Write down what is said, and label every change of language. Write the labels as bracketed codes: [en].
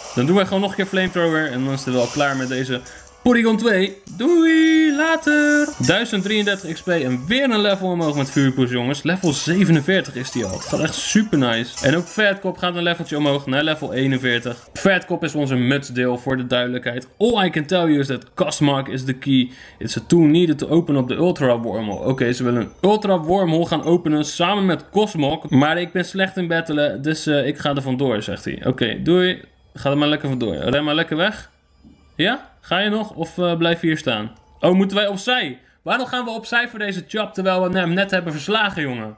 [nl] Dan doen we gewoon nog een keer Flamethrower. En dan is het wel klaar met deze Porygon 2. Doei, later. 1033 XP en weer een level omhoog met Vuurpoes, jongens. Level 47 is die al. Het gaat echt super nice. En ook Vetkop gaat een leveltje omhoog naar level 41. Vetkop is onze mutsdeel voor de duidelijkheid. [en] All I can tell you is that Kosmark is the key. It's a tool needed to open up the Ultra Wormhole. [nl] Oké, ze willen een Ultra Wormhole gaan openen samen met Kosmark. Maar ik ben slecht in battelen, dus ik ga er vandoor, zegt hij. Oké, doei. Ga er maar lekker vandoor. Ren maar lekker weg. Ja? Ga je nog of blijf je hier staan? Oh, moeten wij opzij? Waarom gaan we opzij voor deze chap terwijl we hem net hebben verslagen, jongen?